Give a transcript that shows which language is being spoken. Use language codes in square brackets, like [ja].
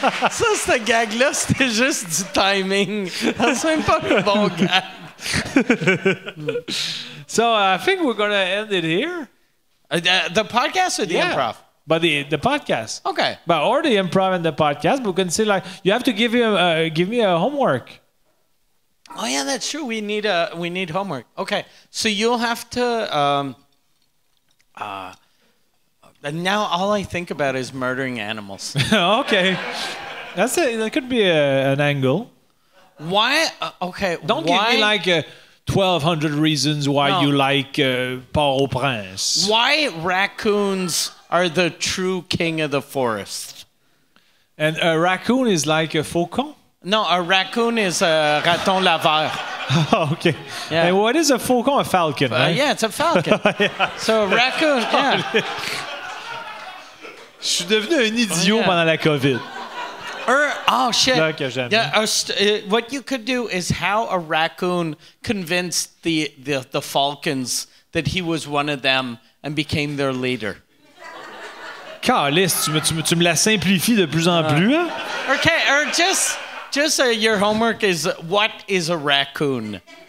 [fr] Ça, ce gag-là, c'était juste du timing. C'est même pas un bon gag. [en] So, I think we're going to end it here. The podcast or the improv? But the podcast. Okay. But or the improv and the podcast, we can say, like, you have to give me a homework. Oh, yeah, that's true. We need homework. Okay. So, you'll have to... And now all I think about is murdering animals. Okay. That could be an angle. Why? Okay. Don't why? Give me like 1,200 reasons why you like Port-au-Prince. Why raccoons are the true king of the forest? And a raccoon is like a faucon? No, a raccoon is a raton laveur. Okay. Yeah. And what is a faucon? A falcon, right? Yeah, it's a falcon. Yeah. So a raccoon, yeah. [fr] Je suis devenu un idiot pendant la COVID. [en] Shit. [fr] Là que j'aime. [en] Yeah, what you could do is how a raccoon convinced the falcons that he was one of them and became their leader. [fr] Carlis, tu me la simplifies de plus en plus. Hein? [en] Okay, or just your homework is what is a raccoon?